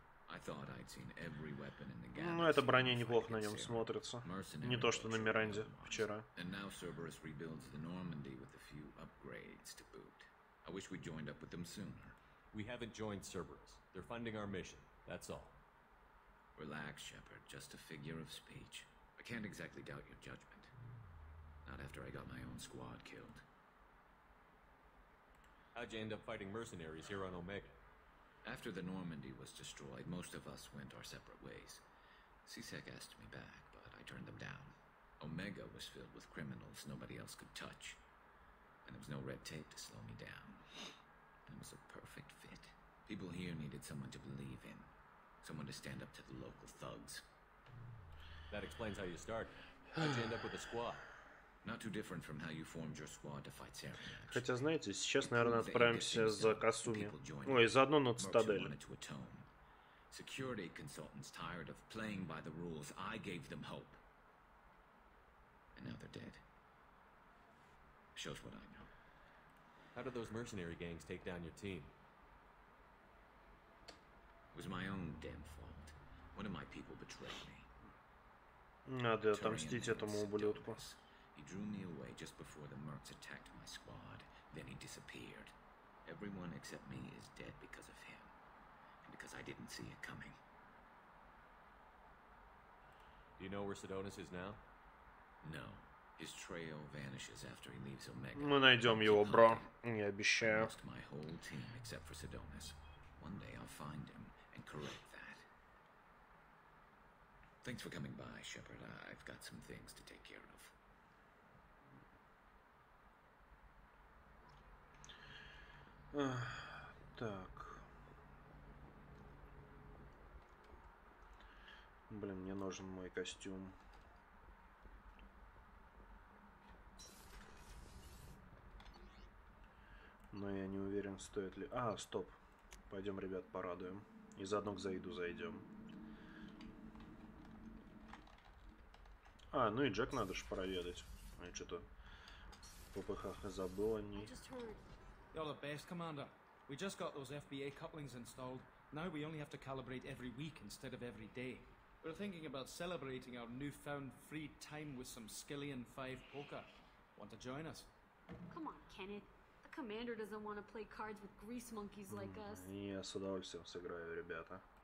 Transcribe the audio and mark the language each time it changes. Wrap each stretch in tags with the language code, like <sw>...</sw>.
<en>I thought I'd seen every weapon in the galaxy.</en> <ru>Ну, эта броня неплохо на нем смотрится. Не то, что на Миранде вчера.</ru> <en>And now Cerberus rebuilds the Normandy with a few upgrades to boot. I wish we'd joined up with them sooner. We haven't joined Cerberus. They're funding our mission. That's all. Relax, Shepard. Just a figure of speech. I can't exactly doubt your judgment. Not after I got my own squad killed. How'd you end up fighting mercenaries here on Omega? After the Normandy was destroyed, most of us went our separate ways. C-Sec asked me back, but I turned them down. Omega was filled with criminals nobody else could touch. And there was no red tape to slow me down. It was a perfect fit. People here needed someone to believe in. Someone to stand up to the local thugs. That explains how you started. How'd you end up with a squad? Not too different from how you formed your squad to fight Cerberus.</en> <ru>Хотя, знаете, сейчас, наверное, отправимся за Касуми. Ой, заодно на Цитадель.</ru> <en>Security consultants tired of playing by the rules. I gave them hope. And now they're dead. Shows what I know. How did those mercenary gangs take down your team? It was my own damn fault. One of my people betrayed me.</en> <ru>Надо отомстить этому ублюдку.</ru> <en>He drew me away just before the Mercs attacked my squad. Then he disappeared. Everyone except me is dead because of him. And because I didn't see it coming. Do you know where Sidonis is now? No. His trail vanishes after he leaves Omega.</en> <ru>Мы найдем его, бро. Я обещаю.</ru> <en>I lost my whole team except for Sidonis. One day I'll find him and correct that. Thanks for coming by, Shepard. I've got some things to take care of.</en> <ru>Так. Блин, мне нужен мой костюм. Но я не уверен, стоит ли. А, стоп. Пойдем, ребят, порадуем. И заодно к Заиду зайдем. А, ну и Джек надо же проведать. Я что-то в ППХ забыл о ней.</ru> <en>You're the best, Commander. We just got those FBA couplings installed. Now we only have to calibrate every week instead of every day. We're thinking about celebrating our newfound free time with some Skillion 5 poker. Want to join us? Come on, Kenneth. The commander doesn't want to play cards with grease monkeys like us.</en> <ru>Yeah, с удовольствием сыграю, ребята.</ru>